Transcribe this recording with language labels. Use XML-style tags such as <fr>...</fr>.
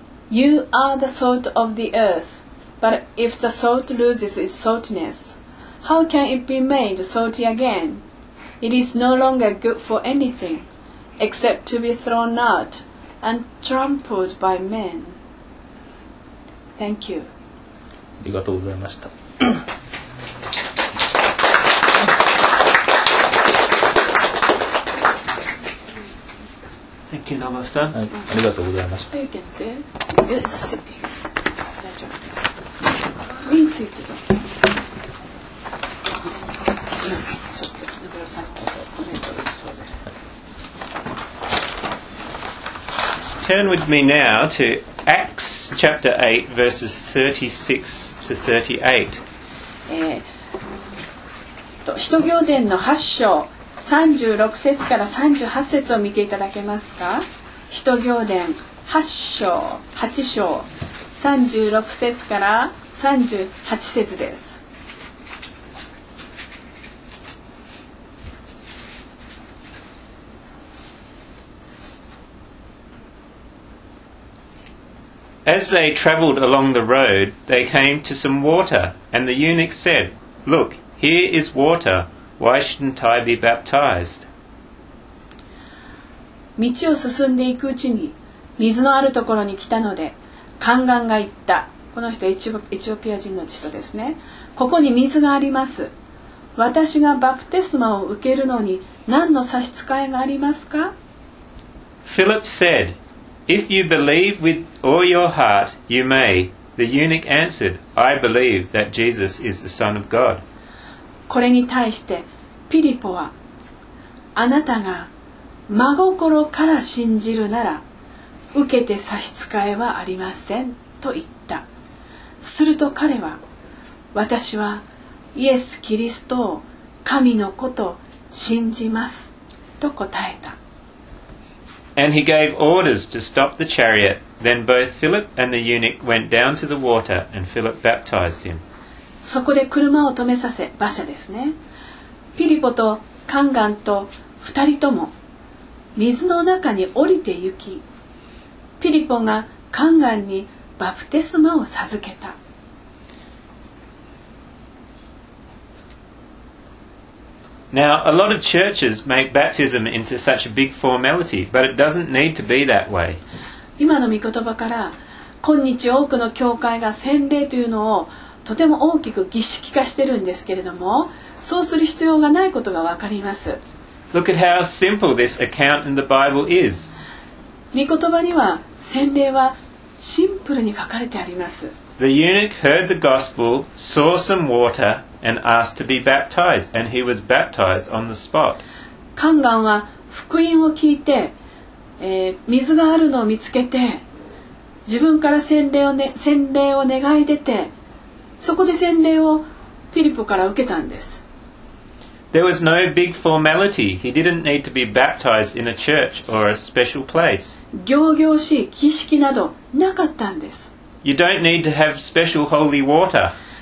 <en>You are the salt of the earth, but if the salt loses its saltiness, how can it be made salty again? It is no longer good for anythingExcept to be thrown out and trampled by men. Thank you.</en> <ja>ありがとうございました。</ja> <en>Thank you, Nobu-san.</en> <ja>はい、ありがとうございました。</ja> <en>Take it there. Good sitting.</en> <ja>大丈夫です。身についてた。ちょっと、Nobu-san、コメントが嘘です。</ja> <en>Turn with me now to Acts chapter 8, verses 36 to 38.</en> <ja>使徒行伝の8章36節から38節を見ていただけますか。使徒行伝8章8章36節から38節です。</ja> <en>As they traveled along the road, they came to some water, and the eunuch said, Look, here is water. Why shouldn't I be baptized?</en> <ja>道を進んでいくうちに、水のあるところに来たので、宦官が言った。この人、エチオピア人の人ですね。ここに水があります。私がバプテスマを受けるのに、何の差し支えがありますか?</ja> <en>Philip said,If you believe with all your heart, you may. The eunuch answered, I believe that Jesus is the Son of God.</en> <ja>これに対してピリポは、あなたが真心から信じるなら、受けて差し支えはありませんと言った。すると彼は、私はイエス・キリストを神の子と信じますと答えた。</ja> <en>And he gave orders to stop the chariot. Then both Philip and the eunuch went down to the water, and Philip baptized him.</en> <ja>そこで車を止めさせ、馬車ですね。ピリポと宦官と二人とも水の中に降りて行き、ピリポが宦官にバプテスマを授けた。</ja> <en>Now, a lot of churches make baptism into such a big formality, but it doesn't need to be that way.</en> <ja>今の御言葉から、今日多くの教会が洗礼というのをとても大きく儀式化しているんですけれども、そうする必要がないことがわかります。</ja> <en>Look at how simple this account in the Bible is.</en> <ja>御言葉には洗礼はシンプルに書かれてあります。</ja> <en>The eunuch heard the gospel, saw some water, and asked to be baptized, and he was baptized on the spot.</en> <ja>宦官は福音を聞いて、水があるのを見つけて、自分から洗礼を願い出て、そこで洗礼をピリポから受けたんです。</ja> <en>There was no big formality. He didn't need to be baptized in a church or a special place.</en> <ja>行々しい儀式などなかったんです。</ja> <en>You don't need to have special holy water.</en>